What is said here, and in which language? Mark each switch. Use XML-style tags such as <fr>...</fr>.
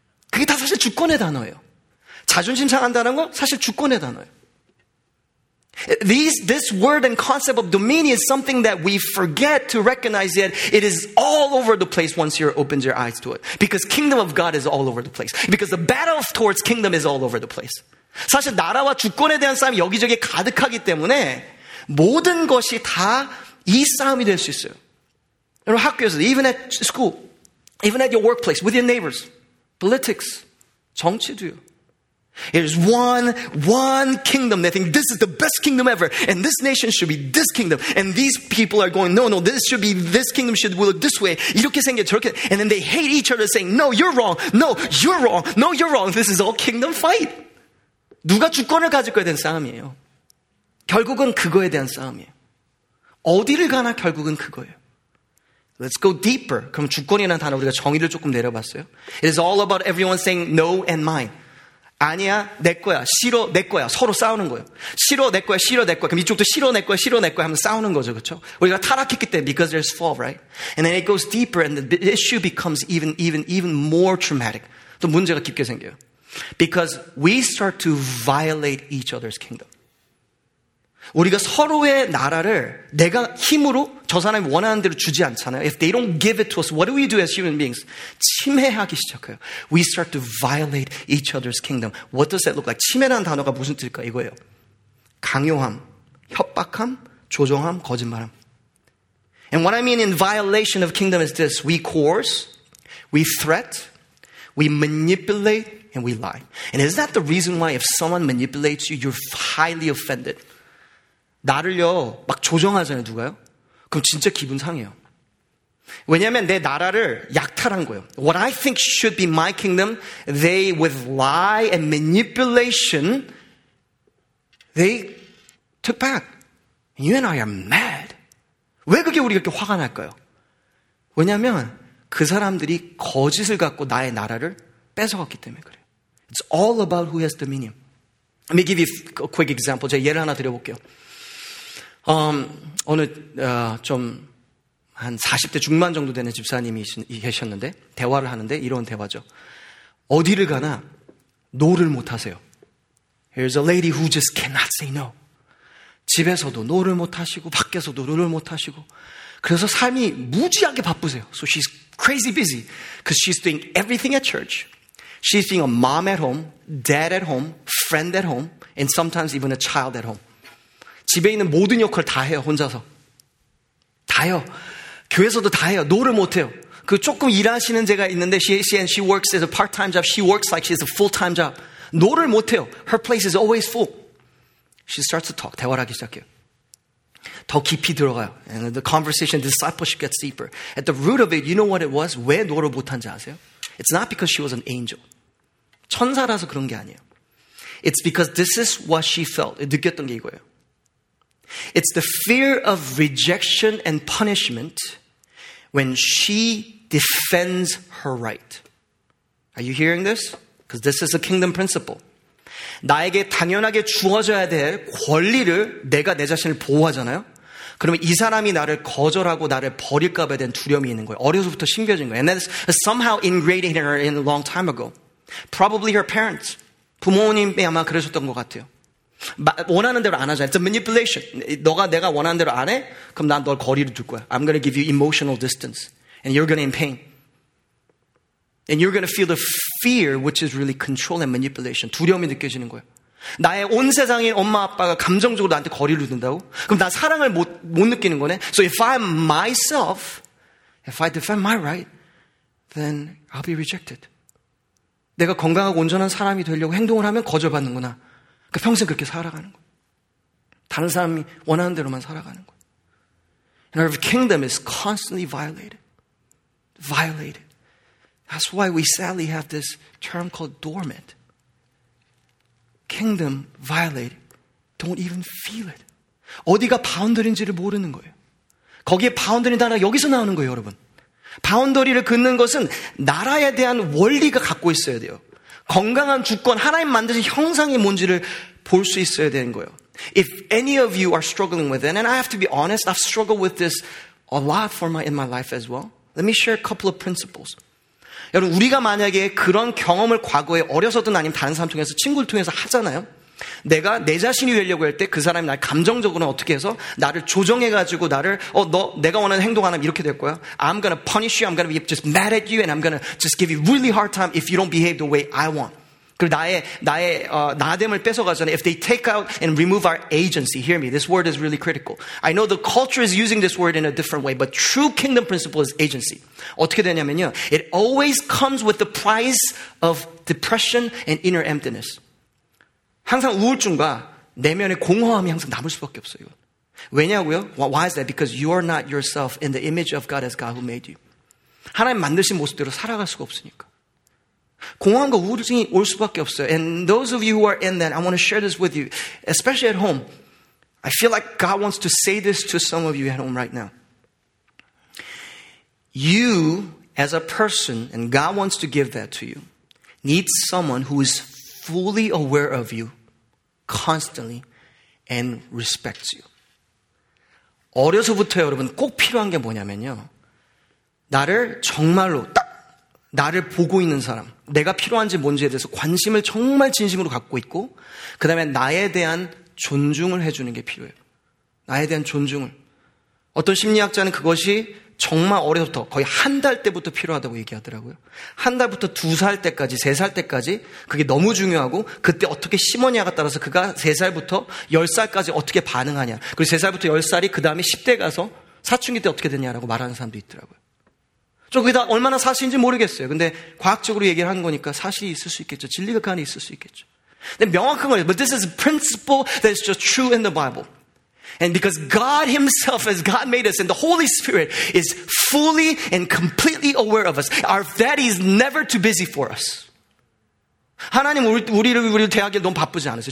<ko>그게 다 사실 주권의 단어예요. 자존심 상한다는 거 사실 주권의 단어예요.</ko> <en>This word and concept of dominion is something that we forget to recognize, yet it is all over the place once you open your eyes to it. Because kingdom of God is all over the place. Because the battle towards kingdom is all over the place.</en> <ko>사실 나라와 주권에 대한 싸움이 여기저기 가득하기 때문에 모든 것이 다 이 싸움이 될 수 있어요. 여러분 학교에서,</ko> <en>even at school, even at your workplace, with your neighbors, politics,</en> <ko>정치도요.</ko> <en>It is one kingdom. They think this is the best kingdom ever. And this nation should be this kingdom. And these people are going, no, this should be, this kingdom should rule this way.</en> <ko>이렇게 생겨, 저렇게.</ko> <en>And then they hate each other saying, no, you're wrong. No, you're wrong. No, you're wrong. This is all kingdom fight.</en> <ko>누가 주권을 가질 거에 대한 싸움이에요. 결국은 그거에 대한 싸움이에요. 어디를 가나 결국은 그거예요.</ko> <en>Let's go deeper.</en> <ko>그럼 주권이라는 단어 우리가 정의를 조금 내려봤어요.</ko> <en>It is all about everyone saying no and mine.</en> <ko>아니야, 내 거야, 싫어, 내 거야, 서로 싸우는 거예요. 싫어, 내 거야, 싫어, 내 거야. 그럼 이쪽도 싫어, 내 거야, 싫어, 내 거야 하면 싸우는 거죠, 그렇죠? 우리가 타락했기 때문에,</ko> <en>because there's fall, right? And then it goes deeper and the issue becomes even more traumatic.</en> <ko>또 문제가 깊게 생겨요.</ko> <en>Because we start to violate each other's kingdom.</en> <ko>우리가 서로의 나라를 내가 힘으로 저 사람이 원하는 대로 주지 않잖아요.</ko> <en>If they don't give it to us, what do we do as human beings?</en> <ko>침해하기 시작해요.</ko> <en>We start to violate each other's kingdom. What does that look like?</en> <ko>침해라는 단어가 무슨 뜻일까? 이거예요. 강요함, 협박함, 조종함, 거짓말함.</ko> <en>And what I mean in violation of kingdom is this. We coerce, we threat, we manipulate, and we lie. And is that the reason why if someone manipulates you, you're highly offended?</en> <ko>나를요, 막 조정하잖아요, 누가요? 그럼 진짜 기분 상해요. 왜냐면 내 나라를 약탈한 거예요.</ko> <en>What I think should be my kingdom, they with lie and manipulation, they took back. You and I are mad.</en> <ko>왜 그게 우리가 이렇게 화가 날까요? 왜냐면 그 사람들이 거짓을 갖고 나의 나라를 뺏어갔기 때문에 그래요.</ko> <en>It's all about who has dominion. Let me give you a quick example.</en> <ko>제가 예를 하나 드려볼게요. 어느 좀 한 40대 중반 정도 되는 집사님이 계셨는데 대화를 하는데 이런 대화죠. 어디를 가나 노를 못하세요.</ko> <en>Here's a lady who just cannot say no.</en> <ko>집에서도 노를 못하시고 밖에서도 노를 못하시고 그래서 삶이 무지하게 바쁘세요.</ko> <en>So she's crazy busy because she's doing everything at church. She's being a mom at home, dad at home, friend at home, and sometimes even a child at home.</en> <ko>집에 있는 모든 역할 다 해요, 혼자서. 다요. 교회에서도 다 해요. 노를 못 해요. 그 조금 일하시는 제가 있는데</ko> <en>she works as a part-time job. She works like she's a full-time job.</en> <ko>노를 못 해요.</ko> <en>Her place is always full. She starts to talk.</en> <ko>대화를 하기 시작해요. 더 깊이 들어가요.</ko> <en>And the conversation, discipleship gets deeper. At the root of it, you know what it was?</en> <ko>왜 노를 못 한지 아세요?</ko> <en>It's not because she was an angel.</en> <ko>천사라서 그런 게 아니에요.</ko> <en>It's because this is what she felt.</en> <ko>느꼈던 게 이거예요.</ko> <en>It's the fear of rejection and punishment when she defends her right. Are you hearing this? Because this is a kingdom principle.</en> <ko>나에게 당연하게 주어져야 될 권리를 내가 내 자신을 보호하잖아요. 그러면 이 사람이 나를 거절하고 나를 버릴까 봐 된 두려움이 있는 거예요. 어려서부터 심겨진 거예요.</ko> <en>And that's somehow ingrained in her in a long time ago. Probably her parents.</en> <ko>부모님이 아마 그러셨던 것 같아요. 원하는 대로 안 하잖아요.</ko> <en>It's a manipulation.</en> <ko>너가 내가 원하는 대로 안 해? 그럼 난 널 거리를 둘 거야.</ko> <en>I'm going to give you emotional distance. And you're going to in pain. And you're going to feel the fear, which is really control and manipulation.</en> <ko>두려움이 느껴지는 거예요. 나의 온 세상인 엄마 아빠가 감정적으로 나한테 거리를 둔다고? 그럼 나 사랑을 못 느끼는 거네?</ko> <en>So if I'm myself, if I defend my right, then I'll be rejected.</en> <ko>내가 건강하고 온전한 사람이 되려고 행동을 하면 거절받는구나. 그러니까 평생 그렇게 살아가는 거야. 다른 사람이 원하는 대로만 살아가는 거야.</ko> <en>And our kingdom is constantly violated. Violated. That's why we sadly have this term called dormant. Kingdom violated. Don't even feel it.</en> <ko>어디가 바운더리인지를 모르는 거예요. 거기에 바운더리는 나라가 여기서 나오는 거예요, 여러분. 바운더리를 긋는 것은 나라에 대한 원리가 갖고 있어야 돼요. 건강한 주권, 하나님 만드신 형상이 뭔지를 볼 수 있어야 되는 거예요.</ko> <en>If any of you are struggling with it, and I have to be honest, I've struggled with this a lot in my life as well. Let me share a couple of principles.</en> <ko>여러분, 우리가 만약에 그런 경험을 과거에 어려서든 아니면 다른 사람 통해서, 친구를 통해서 하잖아요. 내가 내 자신이 되려고 할 때 그 사람이 날 감정적으로 어떻게 해서 나를 조정해가지고 나를 너 내가 원하는 행동 안 하면 이렇게 될 거야.</ko> <en>I'm gonna punish you. I'm gonna be just mad at you. And I'm gonna just give you really hard time if you don't behave the way I want.</en> <ko>그리고 나의 나됨을 뺏어가잖아요.</ko> <en>If they take out and remove our agency. Hear me. This word is really critical. I know the culture is using this word in a different way. But true kingdom principle is agency.</en> <ko>어떻게 되냐면요.</ko> <en>It always comes with the price of depression and inner emptiness.</en> <ko>항상 우울증과 내면의 공허함이 항상 남을 수밖에 없어요. 왜냐고요?</ko> <en>Why is that? Because you are not yourself in the image of God as God who made you.</en> <ko>하나님 만드신 모습대로 살아갈 수가 없으니까. 공허함과 우울증이 올 수밖에 없어요.</ko> <en>And those of you who are in that, I want to share this with you. Especially at home. I feel like God wants to say this to some of you at home right now. You, as a person, and God wants to give that to you, need someone who is fully aware of you, constantly, and respects you.</en> <ko>어려서부터 여러분 꼭 필요한 게 뭐냐면요. 나를 정말로 딱 나를 보고 있는 사람, 내가 필요한지 뭔지에 대해서 관심을 정말 진심으로 갖고 있고, 그 다음에 나에 대한 존중을 해주는 게 필요해요. 나에 대한 존중을. 어떤 심리학자는 그것이 정말 어려서부터 거의 한 달 때부터 필요하다고 얘기하더라고요. 한 달부터 두 살 때까지, 세 살 때까지 그게 너무 중요하고, 그때 어떻게 심었냐가 따라서 그가 세 살부터 열 살까지 어떻게 반응하냐, 그리고 세 살부터 열 살이 그 다음에 10대 가서 사춘기 때 어떻게 되냐라고 말하는 사람도 있더라고요. 저 그게 다 얼마나 사실인지 모르겠어요. 근데 과학적으로 얘기를 하는 거니까 사실이 있을 수 있겠죠. 진리가 그 안에 있을 수 있겠죠. 근데 명확한 거예요.</ko> <en>But this is a principle that is just true in the Bible. And because God himself, as God made us, and the Holy Spirit is fully and completely aware of us, our daddy is never too busy for us.</en> <ko>하나님 우리를 대하기에 너무 바쁘지 않으세요.</ko>